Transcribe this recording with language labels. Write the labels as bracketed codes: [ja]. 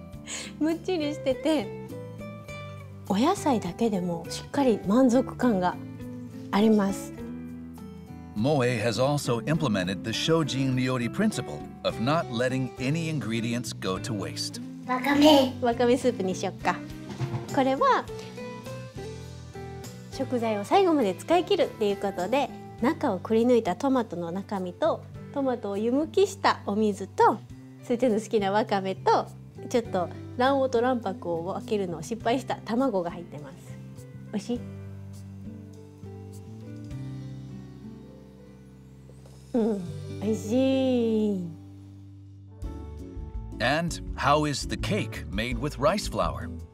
[ja] じゃあママこのトマトいただこう。これ食べていい?うん。いただきます。うん。おいしい。トマトがやっぱりめんつゆ使って味付けしてるから。むっちりしてて。お野菜だけでもしっかり満足感があります。Moe [en] has also implemented the Shojin-ryori principle of not letting any ingredients go to waste. [ja] わかめ。わかめスープにしよっか。これは食材を最後まで使い切るっていうことで、中をくり抜いたトマトの中身と、トマトを湯むきしたお水と、先生の好きなわかめと、 ちょっと卵黄と卵白を分けるのを失敗した卵が入ってます。おいしい?うん、おいしい。And [en] how is the cake made with rice flour?